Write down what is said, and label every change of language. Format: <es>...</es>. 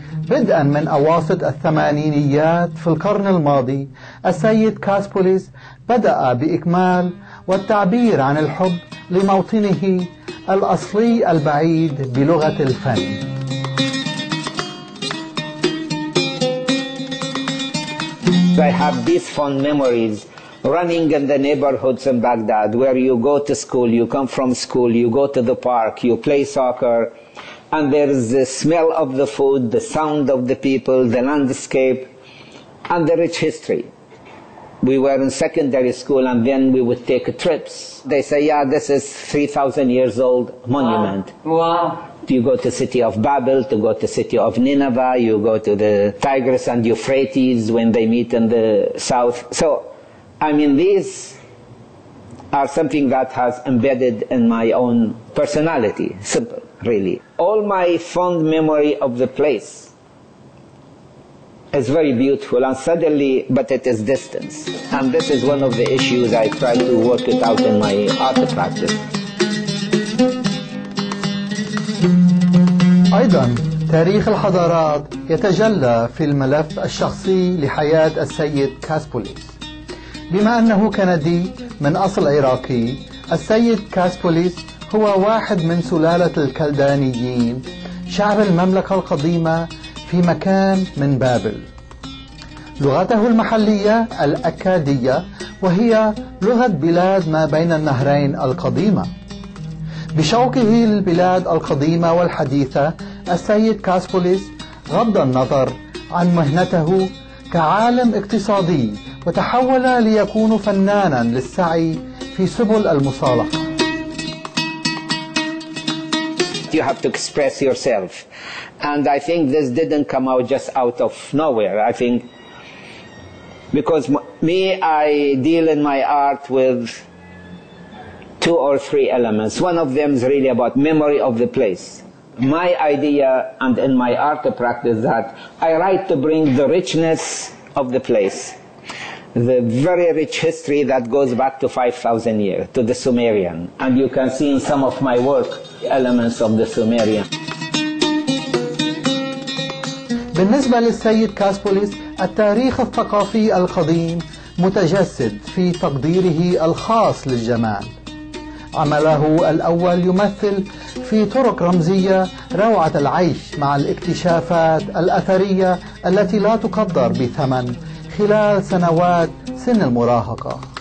<ar>بدءا من أواسط الثمانينيات في القرن الماضي، السيد كاسبوليس بدأ بإكمال والتعبير عن الحب لموطنه الأصلي البعيد بلغة الفن.</ar> <en>I have these fond memories running in the neighborhoods in Baghdad, where you go to school, you come from school, you go to the park, you play soccer, and there is the smell of the food, the sound of the people, the landscape, and the rich history. We were in secondary school, and then we would take trips. They say, yeah, this is 3,000 years old monument. Wow. You go to city of Babel, to go to city of Nineveh, you go to the Tigris and Euphrates when they meet in the south. So, I mean, these are something that has embedded in my own personality. Simple, really. All my fond memory of the place is very beautiful, and suddenly, but it is distance. And this is one of the issues I try to work it out in my art practice.</en> <ar>أيضا تاريخ الحضارات يتجلى في الملف الشخصي لحياة السيد كاسبوليس. بما أنه كندي من أصل عراقي، السيد كاسبوليس هو واحد من سلالة الكلدانيين، شعب المملكة القديمة في مكان من بابل. لغته المحلية الأكادية، وهي لغة بلاد ما بين النهرين القديمة. بشوقه للبلاد القديمة والحديثة، السيد كاسبوليس غض النظر عن مهنته كعالم اقتصادي، وتحول ليكون فنانا للسعي في سبل المصالحة.</ar> <en>You have to express yourself. And I think this didn't come out just out of nowhere. I think because me, I deal in my art with two or three elements. One of them is really about memory of the place. My idea, and in my art practice, that I write to bring the richness of the place, the very rich history that goes back to 5,000 years, to the Sumerian. And you can see in some of my work elements of the Sumerian.</en> <ar>بالنسبة للسيد كاسبوليس، التاريخ الثقافي القديم متجسد في تقديره الخاص للجمال. عمله الأول يمثل في طرق رمزية روعة العيش مع الاكتشافات الأثرية التي لا تقدر بثمن خلال سنوات سن المراهقة.</ar>